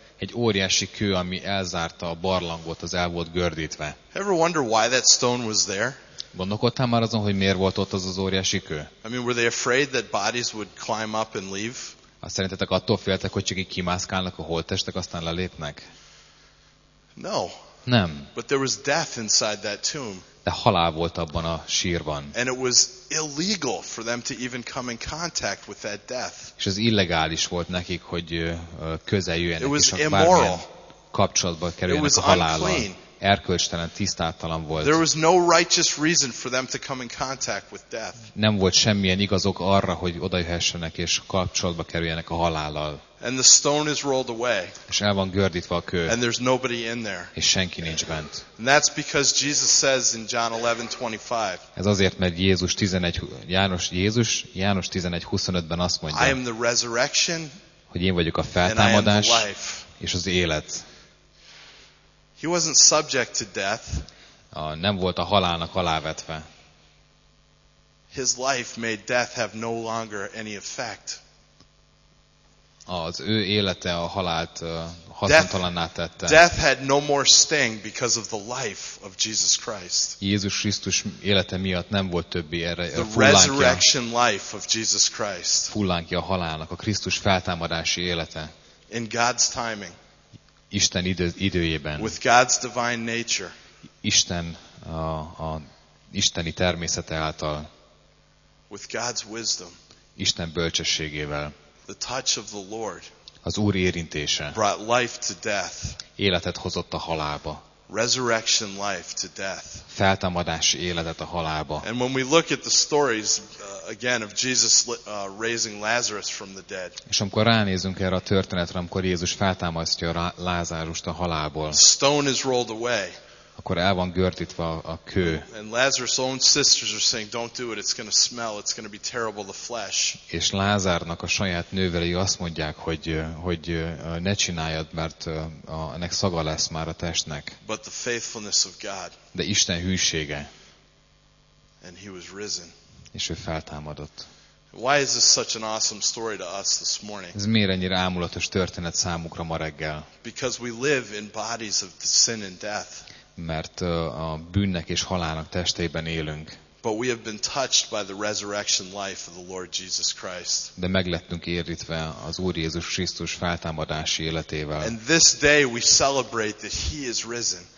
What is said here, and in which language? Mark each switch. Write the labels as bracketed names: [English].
[Hungarian] Egy óriási kő, ami elzárta a barlangot, az el volt gördítve. [English] Ever wonder why that stone was there? [Hungarian] Gondolkodtál már azon, hogy miért volt ott az az óriási kő? [English] I mean, were they afraid that bodies would climb up and leave? [Hungarian] Azt szerintetek attól féltek, hogy csak így kimászkálnak a holttestek, aztán lelépnek? [English] No. [Hungarian] Nem. [English] But there was death inside that tomb. [Hungarian] De halál volt abban a sírban. [English] And it was illegal for them to even come in contact with that death. [Hungarian] És ez illegális volt nekik, hogy közel jöjjenek, és bármilyen kapcsolatba kerüljenek a halállal. Erkölcstelen, tisztátalan volt. [English] There was no righteous reason for them to come in contact with death. [Hungarian] Nem volt semmilyen igaz ok arra, hogy oda jöhessenek és kapcsolatba kerüljenek a halállal. [English] And the stone is rolled away. [Hungarian] És el van gördítve a kő. [English] And there's nobody in there. [Hungarian] És senki nincs bent. [English] And that's because Jesus says in John 11:25. [Hungarian] Ez azért, mert János 11:25-ben azt mondja. [English] I am the resurrection. [Hungarian] Hogy én vagyok a feltámadás és az élet. [English] He wasn't subject to death. [Hungarian] Nem volt a halálnak alávetve. [English] His life made death have no longer any effect. [Hungarian] Az ő élete a halált haszontalanná tette. [English] Death had no more sting because of the life of Jesus Christ. [Hungarian] Jézus Krisztus élete miatt nem volt többi erre [English] a resurrection life of Jesus Christ. [Hungarian] Fullánkja a halálnak, a Krisztus feltámadási élete. [English] In God's timing. [Hungarian] Isten időjében. [English] With God's divine nature. [Hungarian] Isten a isteni természete által. [English] With God's wisdom. [Hungarian] Isten bölcsességével. [English] The touch of the Lord. [Hungarian] Az Úr érintése. [English] Brought life to death. [Hungarian] Életet hozott a halálba. [English] Resurrection life to death. [Hungarian] Feltámadási életet a halálba. [English] And when we look at the stories again of Jesus raising Lazarus from the dead. [Hungarian] És amikor ránézünk erre a történetre, amikor Jézus feltámasztja Lázárust a halálból. [English] The stone is rolled away. [Hungarian] Akkor el van gördítve a kő. [English] And Lazarus' own sisters are saying, "Don't do it. It's going to smell. It's going to be terrible. The flesh." [Hungarian] És Lázárnak a saját nővérei azt mondják, hogy ne csináljad, mert ennek szaga lesz már a testnek. [English] But the faithfulness of God. [Hungarian] De Isten hűsége. [English] And he was risen. [Hungarian] És ő feltámadott. [English] Why is this such an awesome story to us this morning? [Hungarian] Ez miért ennyire álmulatos történet számukra ma reggel? [English] Because we live in bodies of sin and death. [Hungarian] Mert a bűnnek és halálnak testében élünk. [English] But we have been touched by the resurrection life of the Lord Jesus Christ. [Hungarian] De meglettünk érintve az Úr Jézus Krisztus feltámadási életével. [English] And this day we celebrate that he is risen.